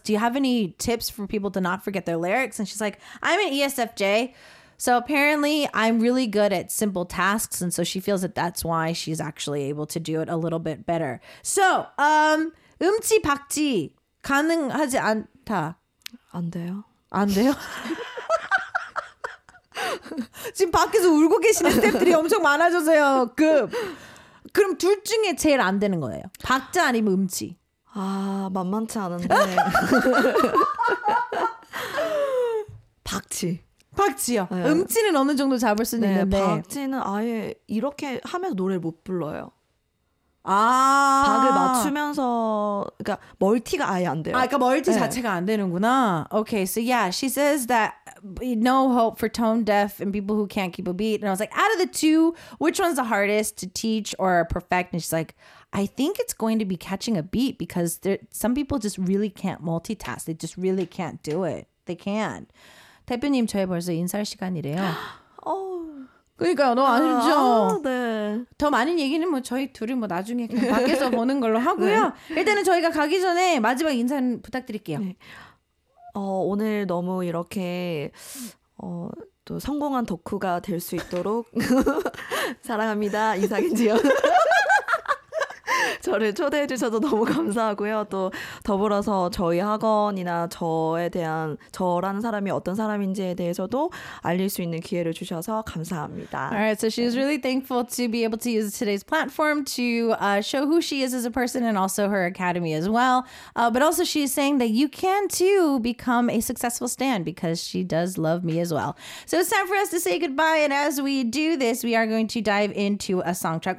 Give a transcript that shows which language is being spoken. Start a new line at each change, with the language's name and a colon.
English: Do you have any tips for people to not forget their lyrics? And she's like, I'm an ESFJ. So apparently I'm really good at simple tasks. And so she feels that that's why she's actually able to do it a little bit better. So,
Korean: 음치 박치 가능하지 않다. 안 돼요. 안 돼요? 지금 밖에서 울고 계시는 스태프들이 엄청 많아져서요. 그럼 둘 중에 제일 안 되는 거예요. 박자 아니면 음치. 아 만만치 않은데. 박치. 박치요. 네. 음치는 어느 정도 잡을 수 있는데. 네, 박치는 아예 이렇게 하면서 노래를 못 불러요. 아 박을 맞추면서 그러니까 멀티가 아예 안 돼요. 아 그러니까 멀티 네. 자체가 안 되는구나.
English: Okay, so yeah, she says that. No hope for tone deaf and people who can't keep a beat. And I was like, out of the two, which one's the hardest to teach or perfect? And she's like, I think it's going to be catching a beat because there, some people just really can't multitask. They just really can't do it. They can't.
Korean: 대표님, 저희 벌써 인사할 시간이래요. 그러니까요, 너무 아쉽죠? 네. 더 많은 얘기는 뭐 저희 둘이 뭐 나중에 밖에서 보는 걸로 하고요. 네. 일단은 저희가 가기 전에 마지막 인사 부탁드릴게요. 네. 오늘 너무 이렇게 또 성공한 덕후가 될 수 있도록 사랑합니다. 이상인지연 저를 초대해 주셔서 너무 감사하고요. 또 더불어서 저희 학원이나 저에 대한 저라는 사람이 어떤 사람인지에 대해서도 알릴 수 있는 기회를 주셔서 감사합니다.
English: All right, so she's really thankful to be able to use today's platform to show who she is as a person and also her academy as well. But also she's saying that you can too become a successful stan because she does love me as well. So it's time for us to say goodbye and as we do this, we are going to dive into a song track.